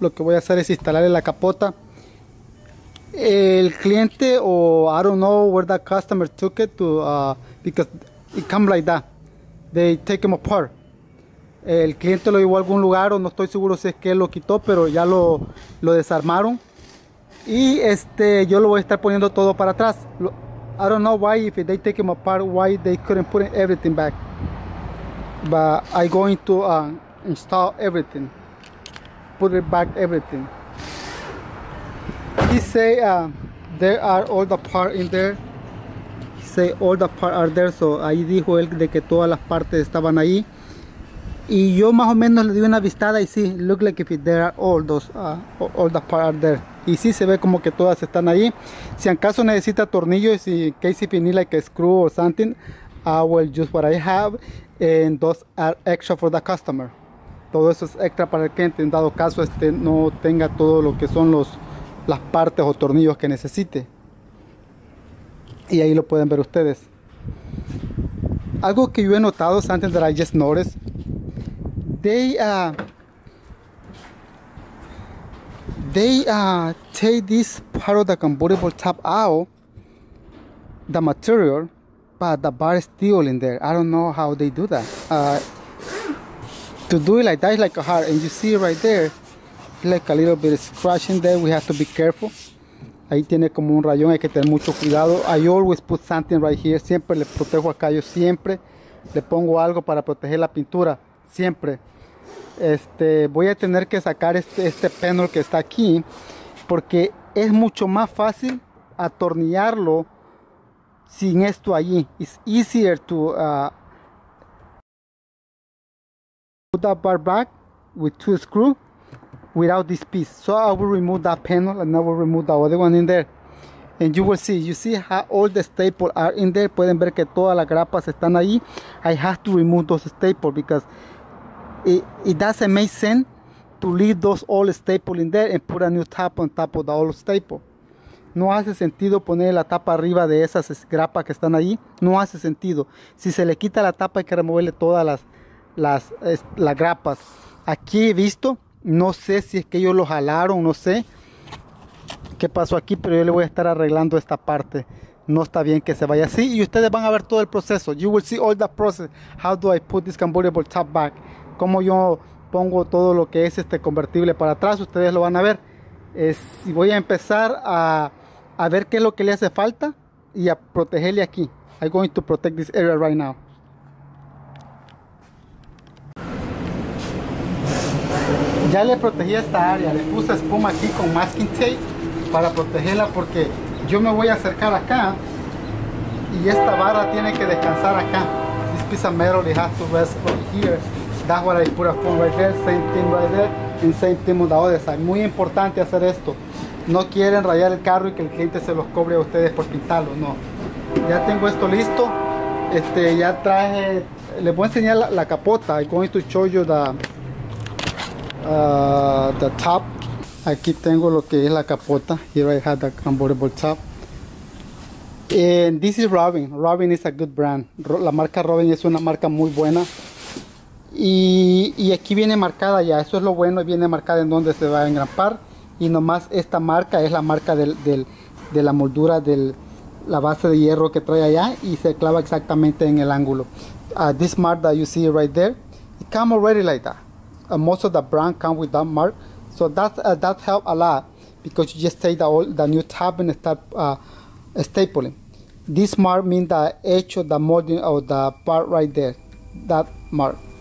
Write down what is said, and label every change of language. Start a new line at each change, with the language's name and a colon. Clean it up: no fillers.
Spanish: Lo que voy a hacer es instalar la capota. El cliente, o
English: I don't know where that customer took it to, because it come like that. They take him apart.
Spanish: El cliente lo llevó a algún lugar, o no estoy seguro si es que él lo quitó, pero ya lo desarmaron. Y yo lo voy a estar poniendo todo para atrás.
English: I don't know why, if they take him apart, why they couldn't put everything back. But I'm going to install everything. Put it back everything. He say there are all the parts in there. He say all the parts are there.
Spanish: So ahí dijo él de que todas las partes estaban ahí. Y yo más o menos le di una vistada y sí,
English: look like if there are all those, all the parts are there.
Spanish: Y sí, se ve como que todas están ahí. Si en caso necesita tornillos, y en
English: case if you need like a screw or something, I will use what I have, and those are extra for the customer.
Spanish: Todo eso es extra para el cliente, en dado caso no tenga todo lo que son las partes o tornillos que necesite. Y ahí lo pueden ver ustedes. Algo que yo he notado,
English: something that I just noticed, They take this part of the convertible top out, the material, but the bar is still in there. I don't know how they do that. To do it like that is like a hard, and you see right there, like a little bit of scratch in there. We have to be careful.
Spanish: Ahí tiene como un rayón, hay que tener mucho cuidado.
English: I always put something right here.
Spanish: Siempre le protejo acá, yo siempre le pongo algo para proteger la pintura, siempre. Voy a tener que sacar este panel que está aquí, porque es mucho más fácil atornillarlo sin esto allí.
English: It's easier to put that bar back with two screws without this piece. So I will remove that panel and I will remove the other one in there. And you see how all the staples are in there.
Spanish: Pueden ver que todas las grapas están ahí.
English: I have to remove those staples because it doesn't make sense to leave those old staple in there and put a new tap on top of the old staple.
Spanish: No hace sentido poner la tapa arriba de esas grapas que están ahí. No hace sentido. Si se le quita la tapa, hay que removerle todas las grapas. Aquí he visto, no sé si es que ellos lo jalaron, no sé qué pasó aquí, pero yo le voy a estar arreglando esta parte. No está bien que se vaya así. Y ustedes van a ver todo el proceso.
English: You will see all the process. How do I put this convertible top back?
Spanish: Como yo pongo todo lo que es este convertible para atrás, ustedes lo van a ver. Y voy a empezar a ver qué es lo que le hace falta y a protegerle aquí.
English: I'm going to protect this area right now.
Spanish: Ya le protegí esta área, le puse espuma aquí con masking tape para protegerla, porque yo me voy a acercar acá y esta barra tiene que descansar acá.
English: This piece of metal has to rest right here. That's what I put a phone right there, same thing right there, and same thing on the other side.
Spanish: Muy importante hacer esto. No quieren rayar el carro y que el cliente se los cobre a ustedes por pintarlo, no. Ya tengo esto listo. Ya traje, les voy a enseñar la capota.
English: I'm going to show you the top.
Spanish: Aquí tengo lo que es la capota.
English: Here I have the convertible top. And this is Robin. Robin is a good brand.
Spanish: La marca Robin es una marca muy buena. Y aquí viene marcada ya, eso es lo bueno, viene marcada en donde se va a engrampar. Y nomás esta marca es la marca de la moldura de la base de hierro que trae allá, y se clava exactamente en el ángulo.
English: This mark that you see right there, it come already like that. Most of the brand come with that mark. So that help a lot, because you just take the new tab and start stapling. This mark means the edge of the molding of the part right there, that mark.